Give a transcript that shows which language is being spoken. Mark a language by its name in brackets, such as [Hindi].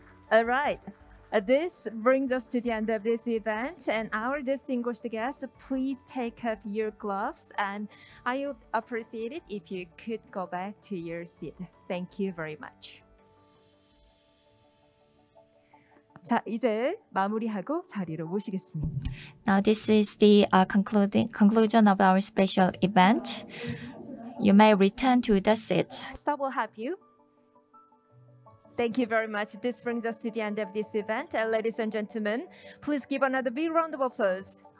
[English] All right. This brings us to the end of this event. And our distinguished guests, please take off your gloves. And I would appreciate it if you could go back to your seat. Thank you very much. [Korean] 자, 이제 마무리하고 자리로 모시겠습니다. [English] Now this is the conclusion of our special event. You may return to the seat. Staff will help you. Thank you very much. This brings us to the end of this event. And ladies and gentlemen, please give another big round of applause.